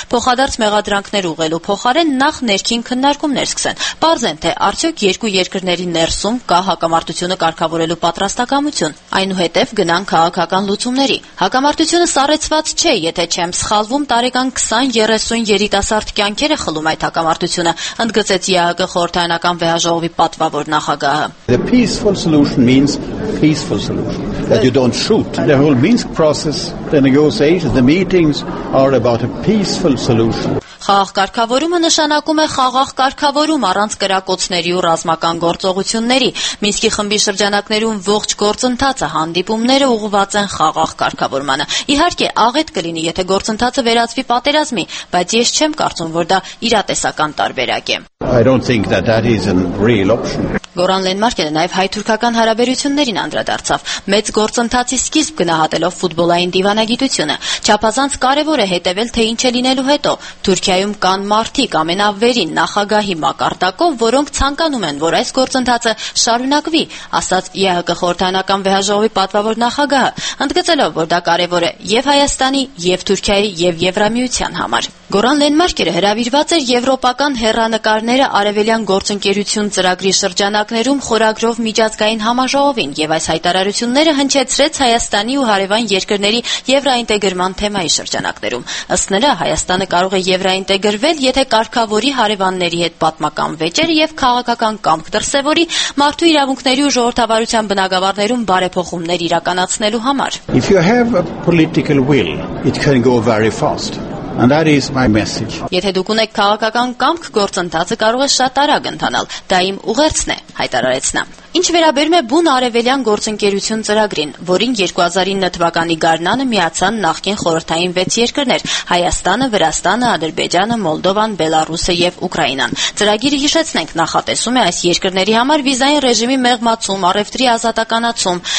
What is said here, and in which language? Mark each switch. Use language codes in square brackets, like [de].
[hy] փոխադարձ մեղադրանքներ ուղղելու փոխարեն նախ ներքին քննարկում ներսկսեն։ Պարզ են, թե արդյոք երկու երկրների ներսում կա հակամարտությունը կարգավորելու պատրաստակամություն, այնուհետև գնան քաղաքական լուծումների։ Հակամարտությունը սառեցված չէ, եթե չեմ սխալվում, տարեկան 20-30 երիտասարդ կյանքեր է խլում այդ հակամարտությունը, ընդգծեց ԵԱՀԿ խորհրդարանական վեհաժողովի պատվավոր նախագահը։ [en] The peaceful solution means peaceful solution. That you don't shoot. The whole Minsk process, the negotiations, the meetings are about a peaceful solution. [hy] Խաղաղ կարգավորումը նշանակում է խաղաղ կարգավորում առանց կրակոցների ու ռազմական գործողությունների։ Մինսկի խմբի շրջանակներում ողջ գործընթացը հանդիպումները ուղղված են խաղաղ կարգավորմանը։ Իհարկե, աղետ կլինի, եթե գործընթացը վերածվի պատերազմի, բայց ես չեմ կարծում, որ դա իրատեսական տարբերակ է։ [en] I don't think that that is a real option. [hy] Գորան Լենմարկերը նաև հայ-թուրքական հարաբերություններին անդրադարձավ, մեծ գործընթացի սկիզբ գնահատելով ֆուտբոլային դիվանագիտությունը։ Չափազանց կարևոր է հետևել, թե ինչ է լինելու հետո։ Թուրքիայում կան մարդիկ ամենավերին նախագահի մակարդակով, որոնք ցանկանում են, որ այս գործընթացը շարունակվի, ասաց ԵՀԿ խորհրդանական վեհաժողովի պատվավոր նախագահը, ընդգծելով, որ դա կարևոր է և Հայաստանի, և Թուրքիայի, և Եվրամիության համար։ Գորան Լենմարկերը հրավիրված էր եվրոպական հերրանկարները արևելյան գործընկերություն ծրագրի ժանակներում խորագրով միջազգային համաժողովին եւ այս հայտարարությունները հնչեցրեց Հայաստանի ու հարևան երկրների եվրոինտեգրման թեմայի շրջանակներում։ Ըստ նրա, Հայաստանը կարող է եվրոինտեգրվել, եթե կարգավորի հարևանների հետ պատմական վեճեր եւ քաղաքական կամք դրսեւորի մարդու իրավունքների ու ժողովրդավարության բնագավառներում բարեփոխումներ իրականացնելու համար։ [en] If you have a political will, it can go very fast. And that is my message. [hy] Եթե դուք ունեք քաղաքական կամք, գործընթացը կարող է շատ արագ ընթանալ։ Դա իմ ուղերձն է, հայտարարեց նա։ Ինչ վերաբերում է բուն արևելյան գործընկերություն ծրագրին, որին 2009 թվականի գարնանը միացան նախկին խորհրդային 6 երկրներ՝ Հայաստանը, Վրաստանը, Ադրբեջանը, Մոլդովան, Բելարուսը եւ Ուկրաինան։ Ծրագիրը, հիշեցնենք, նախատեսում է այս երկրների համար վիզային ռեժիմի մեղմացում, առևտրի ազատականացում։